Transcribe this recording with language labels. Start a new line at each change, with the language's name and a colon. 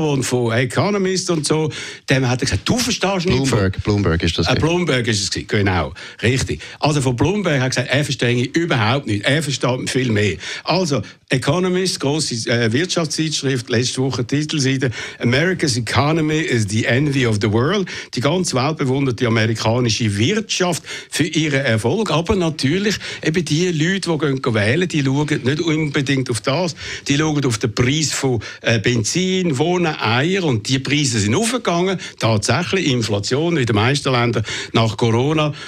German: Und von Economist und so, dem hat er gesagt, du verstehst nicht. Bloomberg ist das. Bloomberg ist es, genau. Richtig. Also von Bloomberg hat er gesagt, er verstehe ich überhaupt nicht. Er versteht viel mehr. Also, Economist, grosse Wirtschaftszeitschrift, letzte Woche Titelseite.
English: America's economy is the envy of the world.
German: Die ganze Welt bewundert die amerikanische Wirtschaft für ihren Erfolg. Aber natürlich, eben die Leute, die gehen wählen, die schauen nicht unbedingt auf das. Die schauen auf den Preis von Benzin, Wohnen, Eier. Und die Preise sind aufgegangen. Tatsächlich Inflation in den meisten Ländern nach Corona.